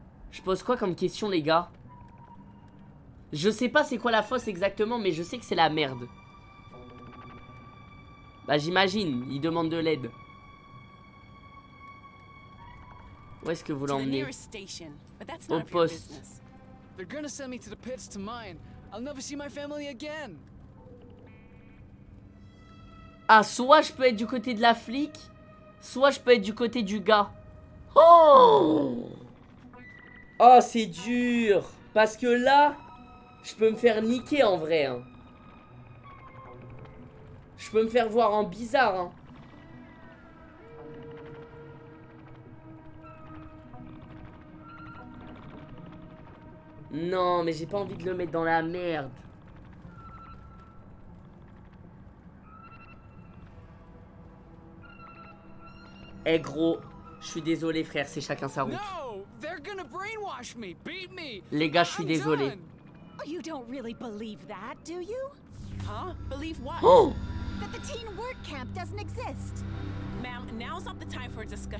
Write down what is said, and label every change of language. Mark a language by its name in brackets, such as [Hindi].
[French] Je pose quoi comme question, les gars? Je sais pas c'est quoi la fosse exactement, mais je sais que c'est la merde. Bah, j'imagine. Il demande de l'aide. Où est-ce que vous l'emmenez? Au poste. [English] They're gonna send me to the pits to mine. I'll never see my family again. [French] Ah, soit je peux être du côté de la flic, soit je peux être du côté du gars. Oh, oh, c'est dur. Parce que là, je peux me faire niquer en vrai. Hein. Je peux me faire voir en bizarre. Hein. Non, mais j'ai pas envie de le mettre dans la merde. Eh hey gros, je suis désolé frère, c'est chacun sa route. [English] They're gonna brainwash me, beat me. [French] Les gars, je suis désolé. [English] Oh, you don't really believe that, do you? Huh? Believe what? Oh. That the teen work camp doesn't exist. Ma'am, now's not the time for a discussion.